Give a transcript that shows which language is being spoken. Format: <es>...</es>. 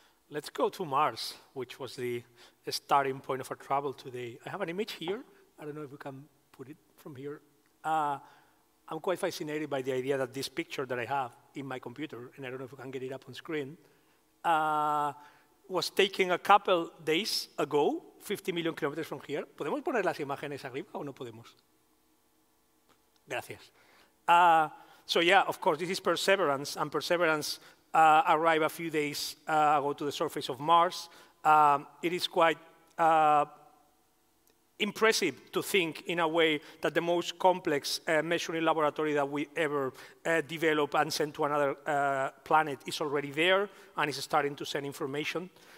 <en>Let's go to Mars, which was the starting point of our travel today. I have an image here. I don't know if we can put it from here. I'm quite fascinated by the idea that this picture that I have in my computer, and I don't know if we can get it up on screen, was taken a couple days ago, 50 million kilometers from here.</en> <es>¿Podemos poner las imágenes arriba o no podemos? Gracias.</es> <en>So yeah, of course, this is Perseverance, and Perseverance arrived a few days ago to the surface of Mars. It is quite impressive to think in a way that the most complex measuring laboratory that we ever develop and send to another planet is already there and is starting to send information.</en>